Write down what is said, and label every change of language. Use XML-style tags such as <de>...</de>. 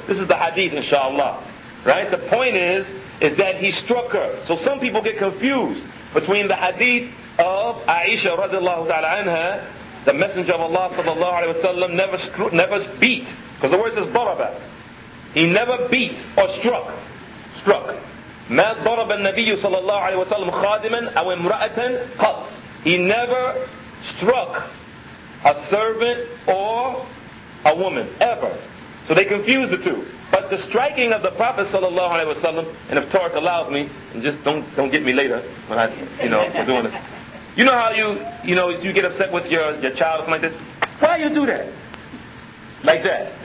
<en>This is the hadith, inshallah. Right? The point is that he struck her. So some people get confused between the hadith of Aisha radiallahu ta'ala anha, the Messenger of Allah sallallahu alayhi wa sallam never beat. Because the word says baraba. He never beat or struck. Struck.</en> <ar>ما ضرب النبي صلى الله عليه وسلم خادما أو امرأة قط.</ar> <en>He never struck a servant or a woman, ever. So they confuse the two. But the striking of the Prophet</en> <ar>صلى الله عليه وسلم,</ar> <en>and if Tariq allows me, and just don't get me later when I, you know, for doing this. You know how you get upset with your child or something like this? Why you do that? Like that.</en>